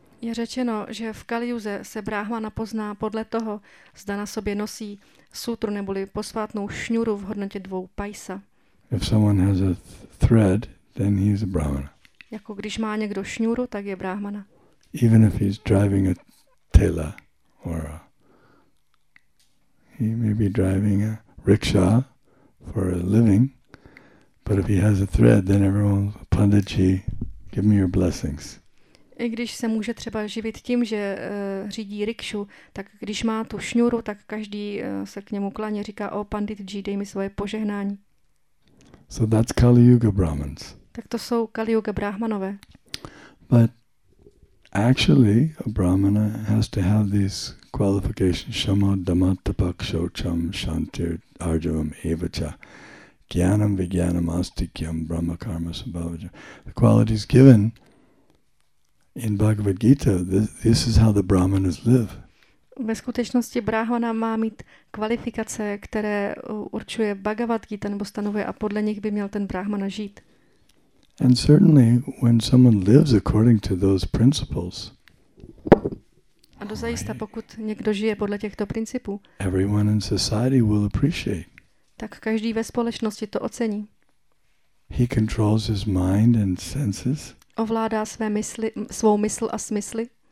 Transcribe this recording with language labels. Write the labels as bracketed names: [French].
[Czech] Je řečeno, že v Kaliuze se brahmana pozná podle toho, zda na sobě nosí sutru neboli posvátnou šňuru v hodnotě dvou paisa. [English] If someone has a thread, then he's a brahmana. [Czech] Jako když má někdo šňuru, tak je brahmana. [English] Even if he's driving a tela, or he may be driving a rickshaw for a living, but if he has a thread, then everyone, Panditji, give me your blessings. [Czech] I když se může třeba živit tím, že řídí rikšu, tak když má tu šňuru, tak každý se k němu klaně, říká, o Panditji, dej mi svoje požehnání. [English] So that's Kali Yuga Brahmans. [Czech] Tak to jsou Kali Yuga Brahmanové. [English] But actually, a brahmana has to have these qualifications: [Sanskrit] shama, dhamma, tapa, shocham, shantir, arjavam, evacha, jnanam, vijnanam, astikyam, brahma, karma, sambhavajam. [English] The qualities given in Bhagavad Gita, this is how the brahmanas live. [Czech] Ve skutečnosti brahmana má mít kvalifikace, které určuje Bhagavad Gita nebo stanovuje, a podle nich by měl ten brahmana žít. [English] And certainly, when someone lives according to those principles, [Czech] a dozajista, pokud někdo žije podle těchto principů, [English] everyone in society will appreciate. [Czech] Tak každý ve společnosti to ocení. [English] He controls his mind and senses. [Czech] Ovládá své mysli, svou mysl a smysly.